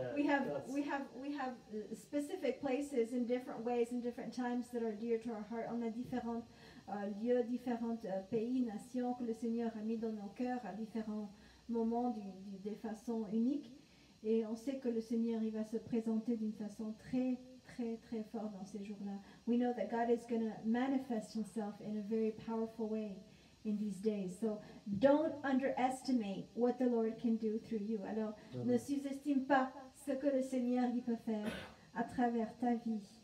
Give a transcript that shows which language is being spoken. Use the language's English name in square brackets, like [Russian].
[English] We have specific places in different ways, in different times that are dear to our heart. [French] On a différents lieux, différents pays, nations que le Seigneur a mis dans nos cœurs à différents moments, des façons uniques. Et on sait que le Seigneur, il va se présenter d'une façon très... très très fort dans ces jours-là. [English] We know that God is going to manifest himself in a very powerful way in these days. So don't underestimate what the Lord can do through you. [French] Alors, ne sous-estime pas ce que le Seigneur il peut faire à travers ta vie.